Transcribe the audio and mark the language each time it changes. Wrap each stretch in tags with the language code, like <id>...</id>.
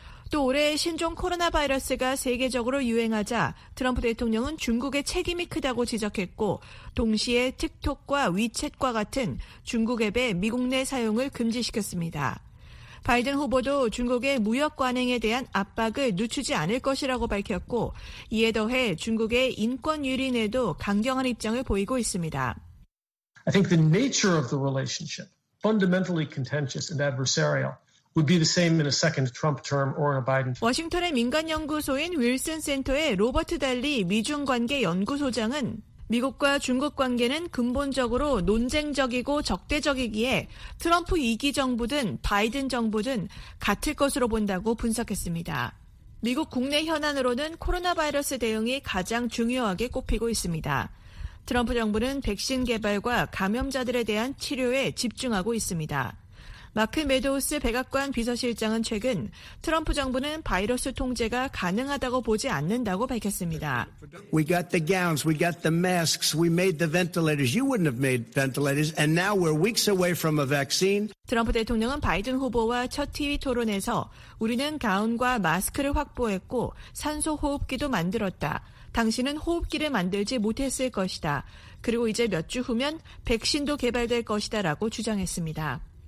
<ko>또 올해 신종 코로나 바이러스가 세계적으로 유행하자 트럼프 대통령은 중국의 책임이 크다고 지적했고 동시에 틱톡과 위챗과 같은 중국 앱의 미국 내 사용을 금지시켰습니다. 바이든 후보도 중국의 무역 관행에 대한 압박을 늦추지 않을 것이라고 밝혔고 이에 더해 중국의 인권 유린에도 강경한 입장을 보이고 있습니다.</ko> <en>I think the nature of the relationship, fundamentally contentious and adversarial, would be the same in a second Trump term or a Biden term.</en> <ko>워싱턴의 민간 연구소인 윌슨 센터의 로버트 달리 미중 관계 연구소장은 미국과 중국 관계는 근본적으로 논쟁적이고 적대적이기에 트럼프 2기 정부든 바이든 정부든 같을 것으로 본다고 분석했습니다. 미국 국내 현안으로는 코로나 바이러스 대응이 가장 중요하게 꼽히고 있습니다. 트럼프 정부는 백신 개발과 감염자들에 대한 치료에 집중하고 있습니다. 마크 메도우스 백악관 비서실장은 최근 트럼프 정부는 바이러스 통제가 가능하다고 보지 않는다고 밝혔습니다.</ko> <en>We got the gowns, we got the masks, we made the ventilators. You wouldn't have made ventilators, and now we're weeks away from a vaccine.</en> <ko>트럼프 대통령은 바이든 후보와 첫 TV 토론에서 우리는 가운과 마스크를 확보했고 산소 호흡기도 만들었다. 당신은 호흡기를 만들지 못했을 것이다. 그리고 이제 몇 주 후면 백신도 개발될 것이다 라고 주장했습니다.</ko>